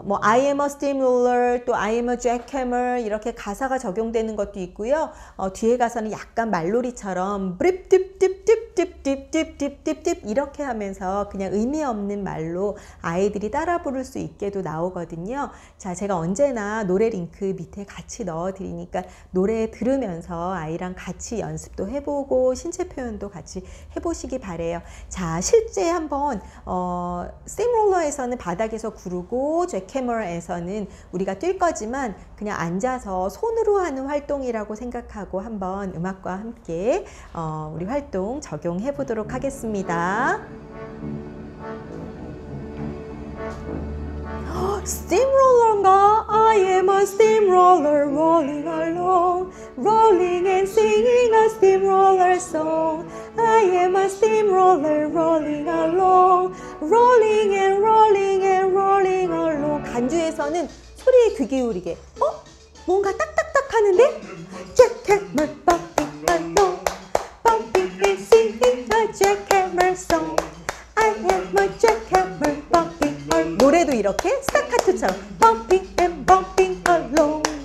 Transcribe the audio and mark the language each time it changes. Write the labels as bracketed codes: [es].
[en] I am a stimuler, 또 I am a jackhammer [ko] 이렇게 가사가 적용되는 것도 있고요. 뒤에 가서는 약간 말놀이처럼 브립딥딥딥딥딥딥딥딥 이렇게 하면서 그냥 의미 없는 말로 아이들이 따라 부를 수 있게도 나오거든요. 자, 제가 언제나 노래 링크 밑에 같이 넣어드리니까 노래 들으면서 아이랑 같이 연습도 해보고 신체 표현도 같이 해보시기 바래요. 자, 실제 한번 스팀롤러에서는 바닥에서 구르고 잭해머에서는 우리가 뛸 거지만 그냥 앉아서 손으로 하는 활동이라고 생각하고 한번 음악과 함께 우리 활동 적용해 보도록 하겠습니다. 스팀롤러인가? [en] I am a steamroller rolling along, rolling and singing a steamroller song. I am a steamroller rolling along, rolling and rolling and rolling along. [ko] 간주에서는 소리에 귀 기울이게. 어? 뭔가 딱딱딱하는데? [en] Jackhammer bumping along, bumping and singing a jackhammer song. I am a jackhammer bumping along. [ko] 노래도 이렇게 스타카토처럼 [en] bumping and bumping along.